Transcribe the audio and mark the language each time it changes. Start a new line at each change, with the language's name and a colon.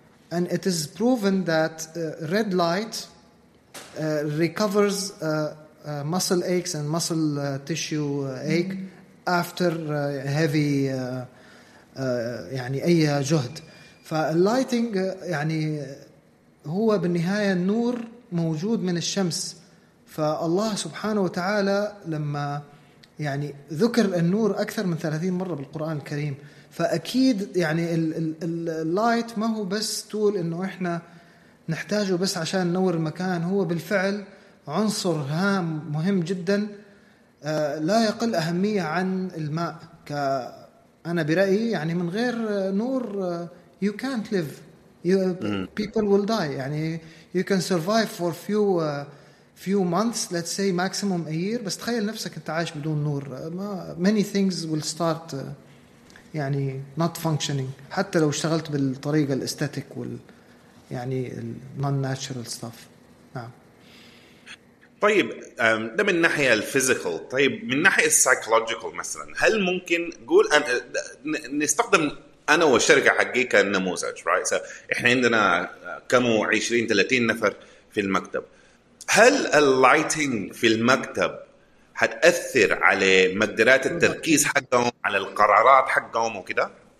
English: And it is proven that red light recovers muscle aches and muscle tissue ache after heavy
Arabic: يعني أي جهد. فاللايتنج يعني هو بالنهاية النور موجود من الشمس، فالله سبحانه وتعالى لما يعني ذكر النور أكثر من 30 مرة بالقرآن الكريم، فأكيد يعني اللايت ما هو بس طول إنه إحنا نحتاجه بس عشان ننور المكان، هو بالفعل عنصر هام مهم جدا لا يقل أهمية عن الماء. أنا برأيي يعني من غير نور
English: you can't live, people will die.
Arabic: يعني
English: you can survive for few months, let's say maximum a year,
Arabic: بس تخيل نفسك أنت عايش بدون نور,
English: many things will start
Arabic: يعني
English: not functioning,
Arabic: حتى لو اشتغلت بالطريقة الاستاتيك وال يعني ال non-natural stuff. نعم. طيب ده من ناحية الفيزيكال. طيب من ناحية السايكولوجيكال مثلا, هل ممكن قول نستخدم أنا والشركة حقيقة النموذج, right? So, إحنا عندنا كمو 20-30 نفر في المكتب, هل اللايتينج في المكتب هتأثر على مقدرات التركيز حقهم على القرارات حقهم وكده؟